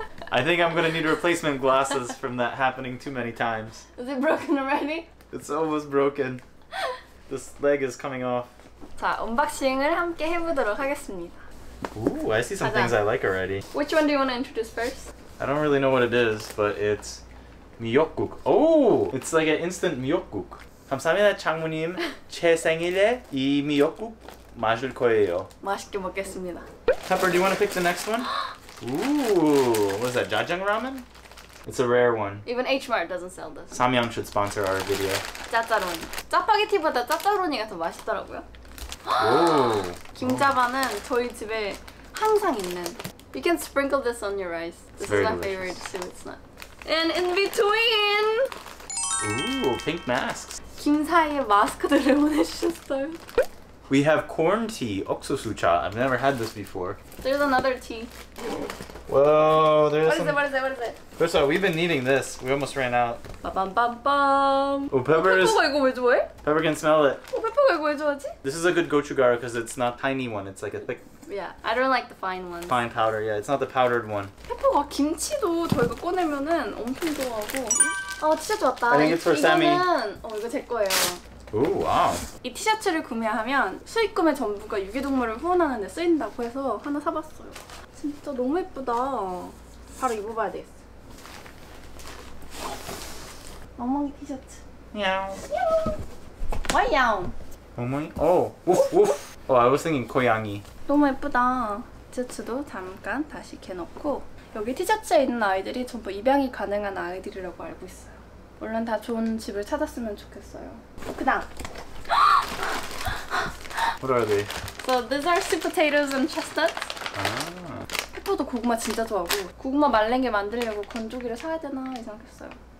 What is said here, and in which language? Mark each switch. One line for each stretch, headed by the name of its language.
English: I think I'm gonna need replacement glasses from that happening too many times. Is it broken already? It's almost broken. This leg is coming off.
Korean: 자, 언박싱을 함께 해보도록 하겠습니다.
English: Ooh, I see some 가자. things I like already. Which one do you want to introduce first? I don't really know what it is, but it's 미역국. Oh, it's like an instant 미역국.
Korean: 감사합니다, 장모님. 제 생일에 이 미역국 마실 거예요. 맛있게 먹겠습니다.
English: Pepper, do you want to pick the next one? Ooh, what is that, jajang ramen? It's a rare one. Even H-Mart doesn't sell this. Samyang should sponsor our video.
Korean: 짜짜로니. 짜파게티보다 짜짜로니가 더 맛있더라고요. 김자반은 저희 집에 항상 있는.
English: You can sprinkle this on your rice. This is my favorite soup, it's not. And in between! Ooh, pink masks.
Korean: 김사의 마스크들을 보내주셨어요.
English: We have corn tea, 옥수수차. I've never had this before. There's another tea. Whoa, there's what some... What is it? First of all, we've been needing this. We almost ran out. Ba-bum-bum-bum. Oh, Pepper is...
Korean: 페퍼가 이거 왜 좋아해?
English: Pepper can smell it.
Korean: Oh, 페퍼가 이거 왜 좋아하지?
English: This is a good gochugaru because it's not tiny one. It's like a thick... Yeah, I don't like the fine ones. Fine powder, yeah. It's not the powdered one.
Korean: 페퍼가 김치도 저희가 꺼내면은 엄청 좋아하고. 아, 진짜 좋았다.
English: I think it's for
Korean: 이거는...
English: Sammy.
Korean: 이거 제 거예요. 오, 와우. 이 티셔츠를 구매하면 수익금의 전부가 유기동물을 후원하는 데 쓰인다고 해서 하나 사봤어요. 진짜 너무 예쁘다. 바로 입어봐야 되겠어. 멍멍이 티셔츠. 야옹. 와이 야옹. 멍멍이? 오, 우프 우프.
English: 오, I was thinking 고양이.
Korean: 너무 예쁘다. 티셔츠도 잠깐 다시 캐놓고 여기 티셔츠에 있는 아이들이 전부 입양이 가능한 아이들이라고 알고 있어요. 얼른 다 좋은 집을 찾았으면 좋겠어요. 그 다음!
English: What are they? So these are sweet potatoes and chestnuts.
Korean: 페퍼도 고구마 진짜 좋아하고 고구마 말린 게 만들려고 건조기를 사야 되나 이 생각했어요.